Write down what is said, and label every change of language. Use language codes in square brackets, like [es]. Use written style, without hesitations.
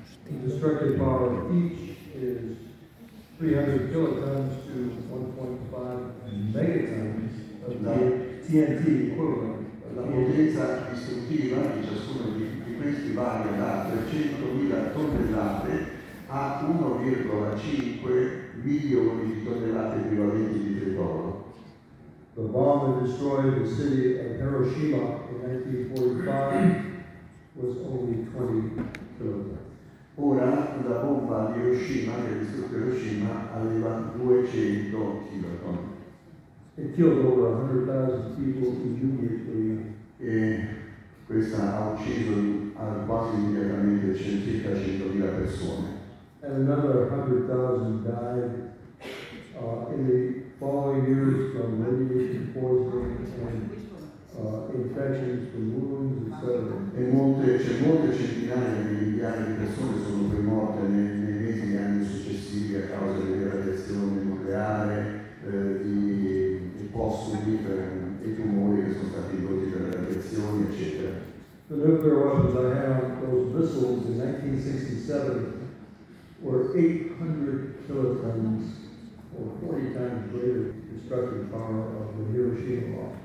[en] The destructive power of each is 300 kilotons to 1.5 megatons of TNT equivalent. [it] La potenza distruttiva di ciascuno di questi varia da 300.000 tonnellate a 1,5 milioni di tonnellate equivalenti di petrolio. [en] The bomb that destroyed the city of Hiroshima in 1945 was only 20 kilotons. [it] Ora la bomba di Hiroshima, che ha distrutto Hiroshima, aveva 200 kiloton. [en] E killed over 100,000 people immediately. [it] E questa ha ucciso quasi immediatamente circa 100,000 persone. [en] And another 100,000 died in the following years from radiation poisoning and infections from wounds, etc. [it] E molte centinaia di migliaia di persone sono poi morte nei mesi e anni successivi a causa delle radiazioni nucleari, di post-nuclear e tumori che sono stati prodotti per le radiazioni, eccetera. [en] The nuclear weapons I have, those missiles in 1967, were 800 kilotons, or 40 times greater destructive power of the Hiroshima bomb.